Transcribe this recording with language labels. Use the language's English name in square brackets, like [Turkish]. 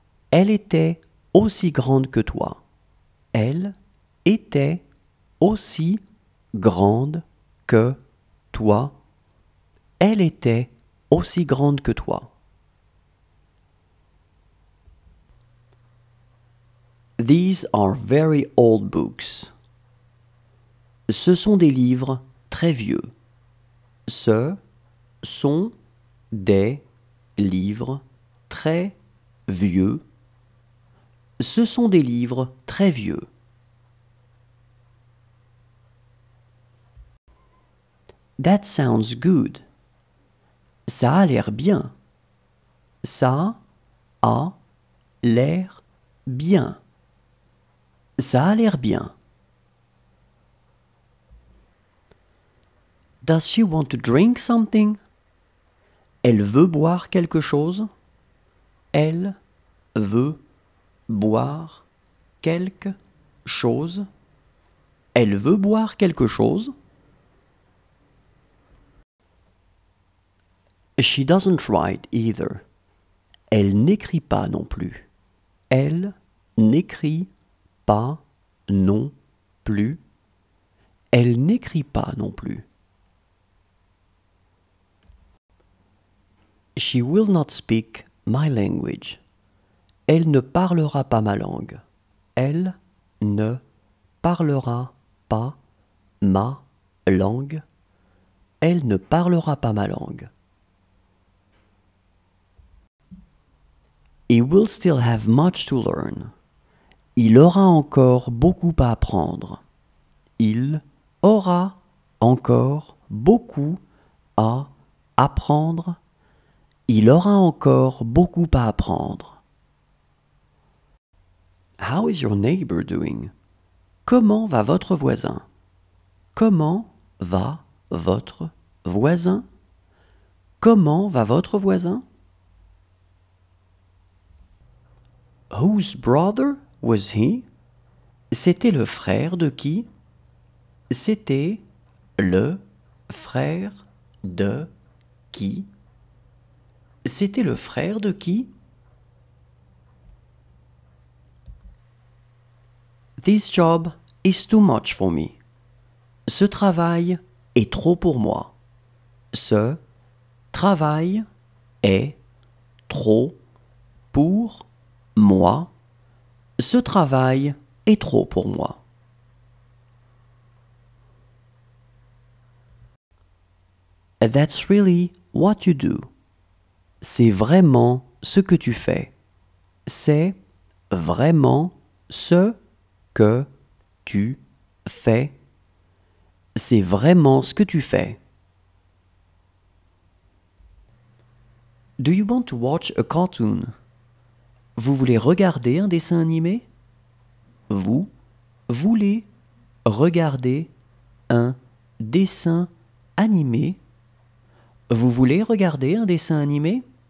[French] Elle était aussi grande que toi. Elle était aussi grande que toi. Elle était aussi grande que toi. [English] These are very old books. [French] Ce sont des livres très vieux. Ce sont des livres très vieux. Ce sont des livres très vieux. [English] That sounds good. [French] Ça a l'air bien. Ça a l'air bien. Ça a l'air bien. [English] Does she want to drink something? [French] Elle veut boire quelque chose? Elle veut boire quelque chose? Elle veut boire quelque chose? [English] She doesn't write either. [French] Elle n'écrit pas non plus. Elle n'écrit pas non plus. Elle n'écrit pas non plus. [English] She will not speak my language. [French] Elle ne parlera pas ma langue. Elle ne parlera pas ma langue. Elle ne parlera pas ma langue. [English] He will still have much to learn. [French] Il aura encore beaucoup à apprendre. Il aura encore beaucoup à apprendre. Il aura encore beaucoup à apprendre. [English] How is your neighbor doing? [French] Comment va votre voisin? Comment va votre voisin? Comment va votre voisin? [English] Whose brother was he? [French] C'était le frère de qui? C'était le frère de qui? C'était le frère de qui? [English] This job is too much for me. [French] Ce travail est trop pour moi. Ce travail est trop pour moi. Ce travail est trop pour moi. [English] That's really what you do. [French] C'est vraiment ce que tu fais. C'est vraiment ce que tu fais. C'est vraiment ce que tu fais. [English] Do you want to watch a cartoon? [French] Vous voulez regarder un dessin animé? Vous voulez regarder un dessin animé? Vous voulez regarder un dessin animé?